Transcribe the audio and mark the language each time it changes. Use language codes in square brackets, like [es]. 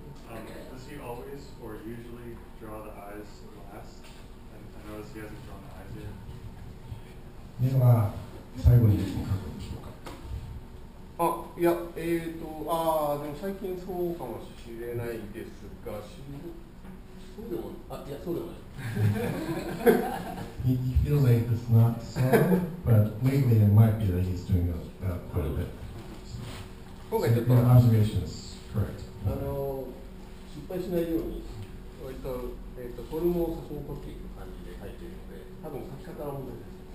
[en] Does he always or usually draw the eyes last? I notice he hasn't drawn the eyes yet. Yeah. [ja] 最後に書くんでしょうか。あ、いや、あーでも最近そうかもしれないですが、そうでもない、あ、いや、そうでもない。 [en] He feels like it's not so, but lately it might be that he's doing that quite a bit. [ja] 今回ちょっと、 [en] your observation is correct. [ja] 失敗しないように、フォルムをサポートっていう感じで書いているので、多分書き方の問題です。